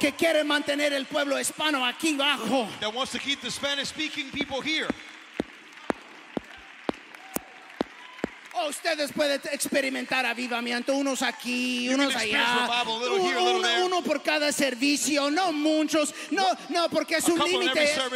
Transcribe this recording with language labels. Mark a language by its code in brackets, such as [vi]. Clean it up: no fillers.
[es] Que quiere mantener el pueblo hispano aquí bajo. [en] That wants to keep the Spanish-speaking people here. [es] Ustedes pueden experimentar avivamiento, unos aquí, unos allá, uno por cada servicio, no muchos, no, no, porque es un límite.